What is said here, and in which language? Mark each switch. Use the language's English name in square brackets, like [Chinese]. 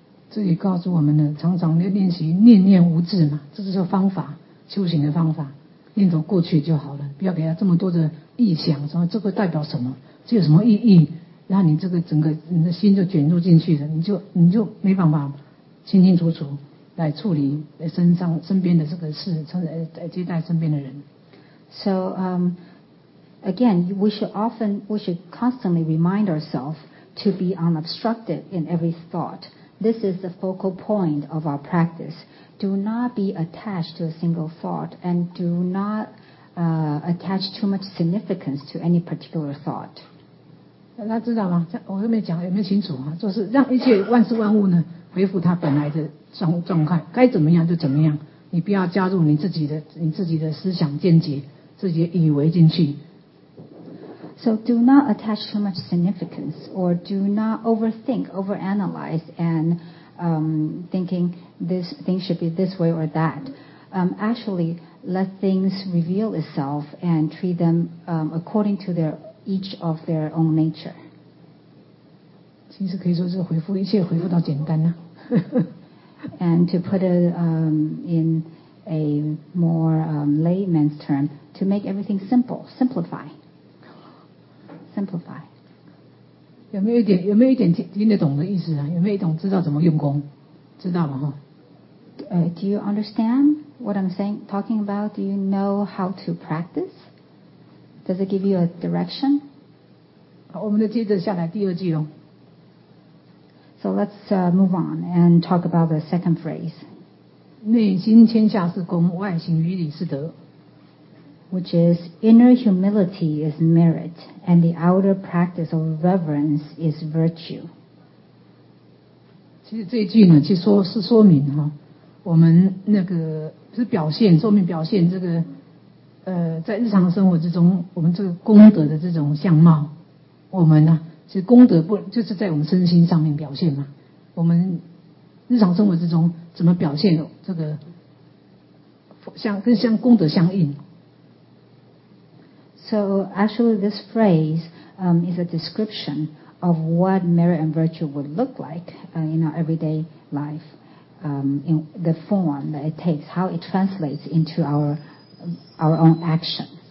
[Chinese] 这里告诉我们呢，常常要练习念念无字嘛，这是方法，修行的方法，念头过去就好了，不要给他这么多的意想，说这个代表什么，这有什么意义，让你这个整个你的心就卷入进去了，你就没办法清清楚楚来处理身边的这个事，来接待身边的人。 [English] So, Again, we should constantly remind ourselves to be unobstructed in every thought. This is the focal point of our practice. Do not be attached to a single thought and do not attach too much significance to any particular thought. [Chinese] 那知道吗？我后面讲有没有清楚啊？就是让一切万事万物呢恢复它本来的状态，该怎么样就怎么样。你不要加入你自己的思想见解，自己以为进去。 [English] So do not attach too much significance or do not overthink, overanalyze and thinking this thing should be this way or that. Actually, let things reveal itself and treat them according to each of their own nature. [Chinese] 其实可以说是回复一切回复到简单啊。 [English] And to put it in a more layman's term, to make everything simple, simplify. [Chinese] 有没有一点 听得懂的意思啊？有没有一种知道怎么用功？知道吗？哈。 [English] Do you understand what I'm saying? Talking about, do you know how to practice? Does it give you a direction? [Chinese] 好，我们接着下来第二句喽。 [English] So let's move on and talk about the second phrase. [Chinese] 内心谦下是功，外行于理是德。 [English] Which is inner humility is merit, and the outer practice of reverence is virtue. [Chinese] 其实这一句呢，其实说是说明哈，我们那个是表现，说明表现这个，在日常生活之中，我们这个功德的这种相貌，我们呢、啊，其实功德不就是在我们身心上面表现嘛？我们日常生活之中怎么表现这个，跟功德相应？ [English] So actually this phrase is a description of what merit and virtue would look like in our everyday life, in the form that it takes, how it translates into our own action.